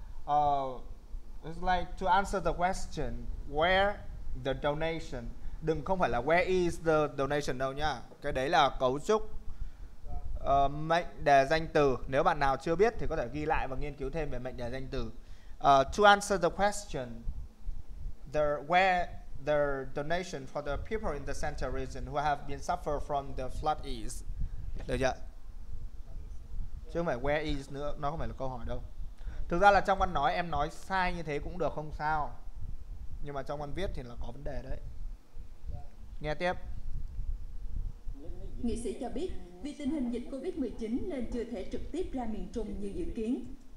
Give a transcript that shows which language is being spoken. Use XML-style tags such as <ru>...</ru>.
<en>It's like to answer the question where the donation.</en> <vi>Đừng không phải là</vi> <en>where is the donation</en> <vi>đâu nha. Cái đấy là cấu trúc mệnh đề danh từ. Nếu bạn nào chưa biết thì có thể ghi lại và nghiên cứu thêm về mệnh đề danh từ.</vi> <en>To answer the question, the donation for the people in the central region who have been suffered from the flood is.</en> <vi>Được chưa? Chứ không phải where is nữa, nó không phải là câu hỏi đâu. Thực ra là trong văn nói em nói sai như thế cũng được, không sao. Nhưng mà trong văn viết thì là có vấn đề đấy. Nghe tiếp. Nghị sĩ cho biết vì tình hình dịch Covid-19 nên chưa thể trực tiếp ra miền Trung như dự kiến.</vi>